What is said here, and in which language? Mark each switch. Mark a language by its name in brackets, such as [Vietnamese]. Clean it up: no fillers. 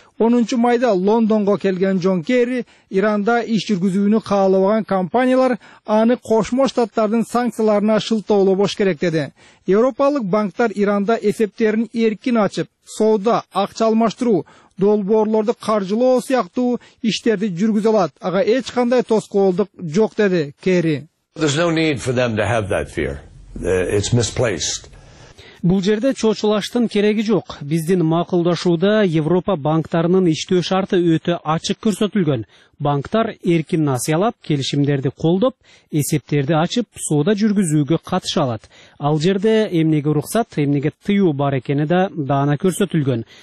[Kyrgyz] 10 майда Лондонго келген Джон Керри Иранда иш жүргүзүүнү каалабаган компаниялар аны Кошмо Штаттардын санкцияларына шылтоолобош керек деди. Европалык банктар Иранда эсептерин эркин ачып, соода, акча алмаштыруу, долбоорлорду каржылоо сыяктуу иштерди жүргүзө алат. Ага эч кандай тоскоолдук жок, деди Керри. [English] There's no need for them to have that fear. It's misplaced. [Kyrgyz] Бул жерде чочулаштын кереги жок. Биздин макулдашууда Европа банктарынын иштөө шарты өтө ачык көрсөтүлгөн. Банктар эркин насыялап, келишимдерди колдоп, эсептерди ачып, соода жүргүзүүгө катыша алат. Ал жерде эмнеге уруксат, эмнеге тыюу бар экени да даана көрсөтүлгөн.